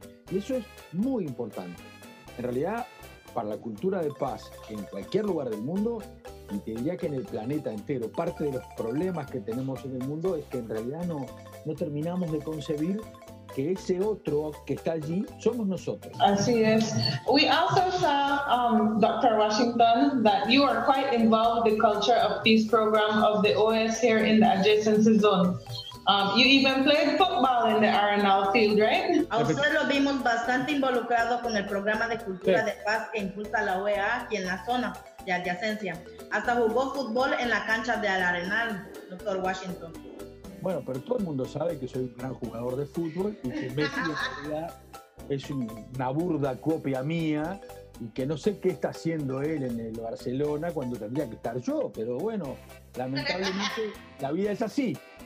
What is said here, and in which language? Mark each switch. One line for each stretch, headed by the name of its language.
Spanish: Y eso es muy importante. En realidad, para la cultura de paz en cualquier lugar del mundo, y te diría que en el planeta entero, parte de los problemas que tenemos en el mundo es que en realidad no terminamos de concebir que ese otro que está allí somos nosotros. Así es.
English: We also saw, Dr. Washington, that you are quite involved with the culture of peace program of the OAS here in the adjacency zone. You even played football in the Arenal field, right?
Spanish: A usted lo vimos bastante involucrado con el programa de cultura de paz que impulsa la OEA aquí en la zona de adyacencia. Hasta jugó fútbol en la cancha del Arenal, Dr. Washington. Bueno, pero todo el mundo sabe que soy un gran jugador de fútbol y que Messi en realidad es una burda copia mía y que no sé qué está haciendo él en el Barcelona cuando tendría que estar yo, pero bueno, lamentablemente la vida es así.